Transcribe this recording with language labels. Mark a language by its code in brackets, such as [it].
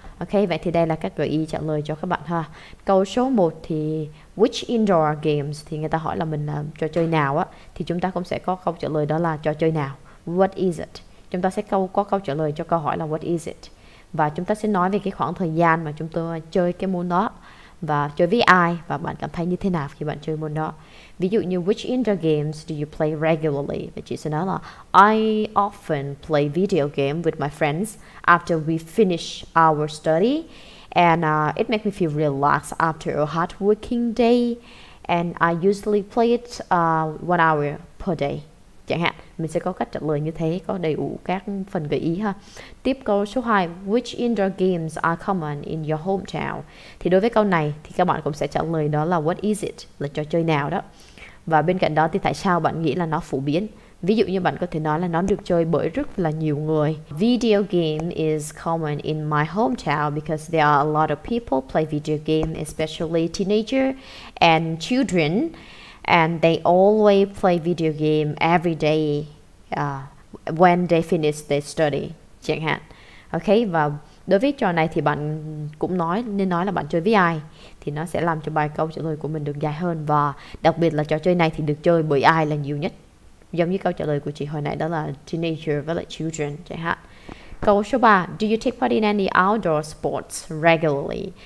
[vi] Ok, vậy thì đây là các gợi ý trả lời cho các bạn ha. Câu số 1 thì [en] which indoor games, [vi] thì người ta hỏi là mình làm trò chơi nào á, thì chúng ta cũng sẽ có câu trả lời đó là trò chơi nào. [en] What is it? [vi] Chúng ta sẽ có câu trả lời cho câu hỏi là [en] what is it? [vi] Và chúng ta sẽ nói về cái khoảng thời gian mà chúng tôi chơi cái môn đó, và chơi với ai, và bạn cảm thấy như thế nào khi bạn chơi môn đó. Ví dụ như [en] which indoor games do you play regularly? [vi] Và chị sẽ nói là [en] I often play video game with my friends after we finish our study, and it makes me feel relaxed after a hard working day, and I usually play it 1 hour per day. [vi] Chẳng hạn, mình sẽ có cách trả lời như thế, có đầy đủ các phần gợi ý ha. Tiếp câu số 2, [en] which indoor games are common in your hometown? [vi] Thì đối với câu này thì các bạn cũng sẽ trả lời đó là [en] what is it, [vi] là trò chơi nào đó. Và bên cạnh đó thì tại sao bạn nghĩ là nó phổ biến? Ví dụ như bạn có thể nói là nó được chơi bởi rất là nhiều người. [en] Video game is common in my hometown because there are a lot of people play video game, especially teenager and children. And they always play video game every day when they finish their study, [vi] chẳng hạn. Ok, và đối với trò này thì bạn cũng nói, nên nói là bạn chơi với ai, thì nó sẽ làm cho bài câu trả lời của mình được dài hơn. Và đặc biệt là trò chơi này thì được chơi bởi ai là nhiều nhất. Giống như câu trả lời của chị hồi nãy đó là teenager với [en] like children, [vi] chẳng hạn. Câu số 3, [en] do you take part in any outdoor sports regularly?